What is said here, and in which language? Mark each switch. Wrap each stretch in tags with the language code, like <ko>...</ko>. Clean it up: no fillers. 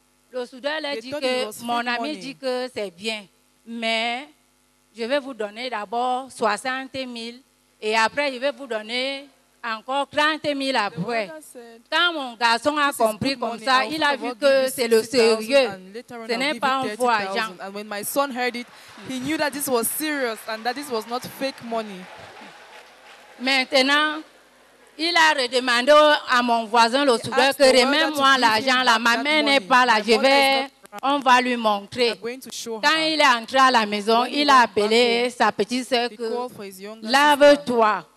<fr>Le soudeur a dit que mon ami dit que c'est bien. Mais je vais vous donner d'abord 60 000. Et après, je vais vous donner encore 30 000 après.</fr> <en>Said,</en> <fr>quand mon garçon a compris comme ça, il a vu que c'est le sérieux. Ce n'est pas un faux agent.</fr> <en>And when my son heard it, he knew that this was serious and that this was not fake money.</en> <fr>Maintenant, il a redemandé à mon voisin le soudeur que remets-moi l'argent là. Ma main n'est pas là. Je vais, on va lui montrer. Quand il est entré à la maison, il a appelé sa petite sœur que lave-toi.</fr>